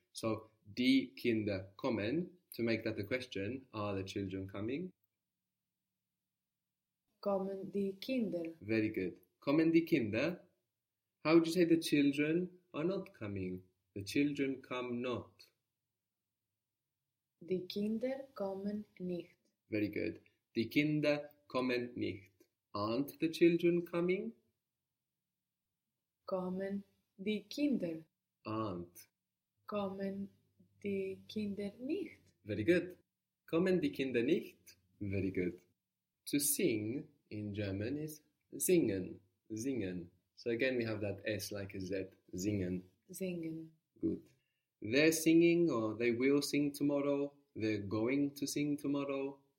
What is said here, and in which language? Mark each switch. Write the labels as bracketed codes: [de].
[en] So, [de] die Kinder kommen, [en] to make that the question, are the children coming? [de] Kommen die Kinder. [en] Very good. [de] Kommen die Kinder? [en] How would you say the children are not coming? The children come not. [de] Die Kinder kommen nicht. [en] Very good. [de] Die Kinder kommen nicht. [en] Aren't the children coming? [de] Kommen die Kinder. [en] Aren't. [de] Kommen die Kinder nicht. [en] Very good. [de] Kommen die Kinder nicht? [en] Very good. To sing in German is singen. Singen. So again we have that S like a Z. [de] Singen. Singen. [en] Good. They're singing or they will sing tomorrow. They're going to sing tomorrow.